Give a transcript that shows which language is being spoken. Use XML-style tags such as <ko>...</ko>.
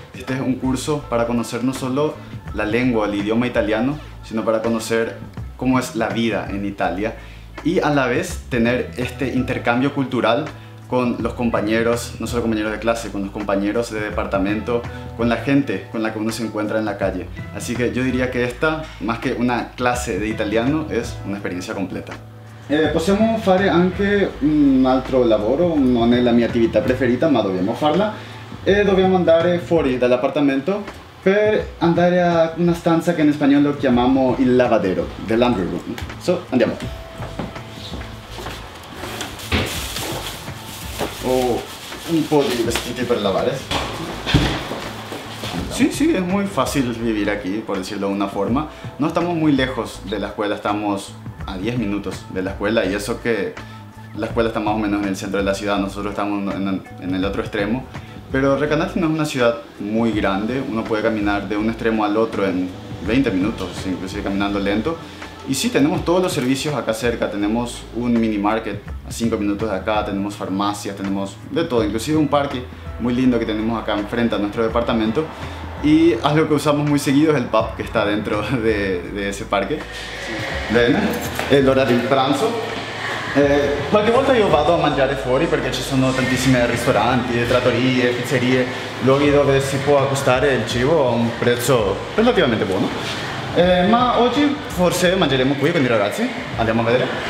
<es>Este es un curso para conocer no solo la lengua, el idioma italiano, sino para conocer cómo es la vida en Italia y a la vez tener este intercambio cultural con los compañeros, no solo compañeros de clase, con los compañeros de departamento, con la gente con la que uno se encuentra en la calle. Así que yo diría que esta, más que una clase de italiano, es una experiencia completa.</es> <it>Possiamo fare anche un altro lavoro, non è la mia attività preferita, ma dobbiamo farla. E dobbiamo andare fuori dall'appartamento per andare a una stanza che in spagnolo chiamiamo il lavadero,</it> <en>the laundry room.</en> <it>So, andiamo. Ho un po' di vestiti per lavare.</it> <es>Sí, sí, es muy fácil vivir aquí, por decirlo de una forma. No estamos muy lejos de la escuela, estamos a 10 minutos de la escuela y eso que la escuela está más o menos en el centro de la ciudad, nosotros estamos en el otro extremo. Pero Recanati no es una ciudad muy grande, uno puede caminar de un extremo al otro en 20 minutos, inclusive caminando lento. Y sí, tenemos todos los servicios acá cerca, tenemos un mini market a 5 minutos de acá, tenemos farmacias, tenemos de todo, inclusive un parque muy lindo que tenemos acá enfrente a nuestro departamento. Y algo que usamos muy seguido es el pub que está dentro de ese parque. Sí. Ven, el hora del pranzo.</es> <it>Qualche volta io vado a mangiare fuori perché ci sono tantissimi ristoranti, trattorie, pizzerie, luoghi dove si può acquistare il cibo a un prezzo relativamente buono. Ma oggi forse mangeremo qui con i ragazzi, andiamo a vedere.</it>